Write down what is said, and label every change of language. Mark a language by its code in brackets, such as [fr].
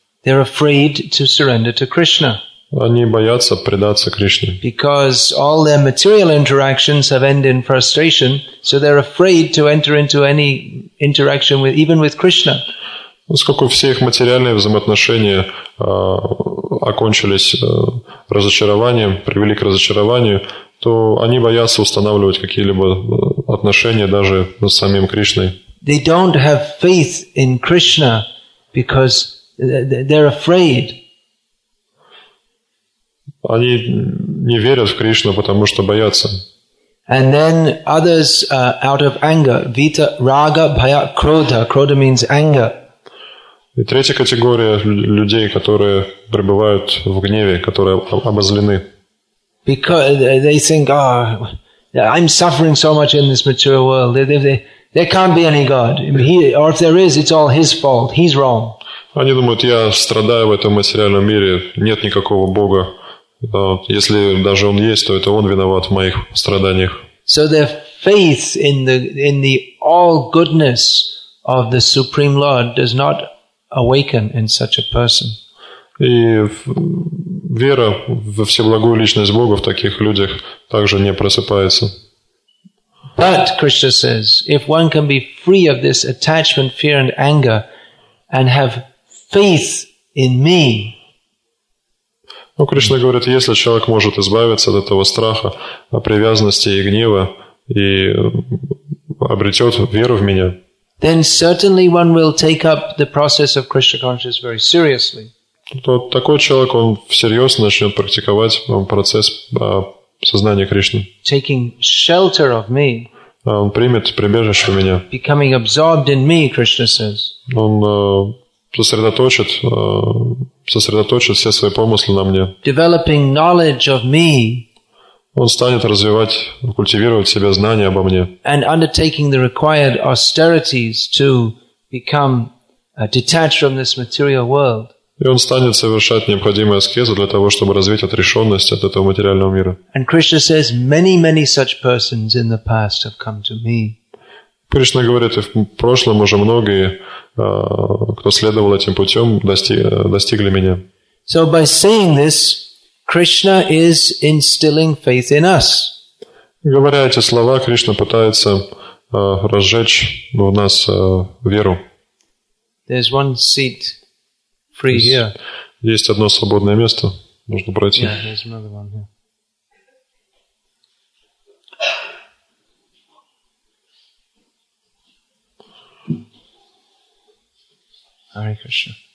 [en] They're afraid to surrender to Krishna. [ru] Они боятся предаться Кришне. [en] Because all their material interactions have ended in frustration, so they're afraid to enter into any interaction with even with Krishna. [ru] Поскольку все их материальные взаимоотношения окончились разочарованием, привели к разочарованию, то они боятся устанавливать какие-либо отношения даже с самим Кришной. [en] They don't have faith in Krishna because they're afraid. [ru] Они не верят в Кришну, потому что боятся. [en] And then others out of anger, [sa] vita, raga, bhaya, krodha. [en] Krodha means anger. [ru] И третья категория людей, которые пребывают в гневе, которые обозлены. [en] Because they think, I'm suffering so much in this material world. There can't be any God. Or if there is, it's all his fault. He's wrong. [ru] Они думают, я страдаю в этом материальном мире. Нет никакого Бога. Если даже он есть, то это он виноват в моих страданиях. [en] So their faith in the all goodness of the Supreme Lord does not awaken in such a person. [ru] И вера во всеблагую личность Бога в таких людях также не просыпается. [en] But Krishna says, if one can be free of this attachment, fear and anger and have faith in me. [ru] Но Кришна говорит, если человек может избавиться от этого страха, от привязанности и гнева, и обретет веру в меня, [en] then certainly one will take up the process of Krishna consciousness very seriously. [ru] То такой человек, он всерьез начнет практиковать процесс сознания Кришны. [en] Taking shelter of me. [ru] Он примет прибежище в меня. [en] Becoming absorbed in me, Krishna says. [ru] Он сосредоточит все свои помыслы на мне. [en] Developing knowledge of me. [ru] Он станет развивать, культивировать в себе знания обо мне. [en] And undertaking the required austerities to become detached from this material world. [ru] И он станет совершать необходимые аскезы для того, чтобы развить отрешенность от этого материального мира. [en] And Krishna says, many, many such persons in the past have come to me. [ru] Кришна говорит, в прошлом уже многие, кто следовал этим путем, достигли меня. [en] So by saying this, Krishna is instilling faith in us. [ru] Говоря эти слова, Кришна пытается разжечь в нас веру. [en] There's one seat free here. [ru] Есть одно свободное место, можно пройти. [en] Yeah, there's another one here. Hare Krishna.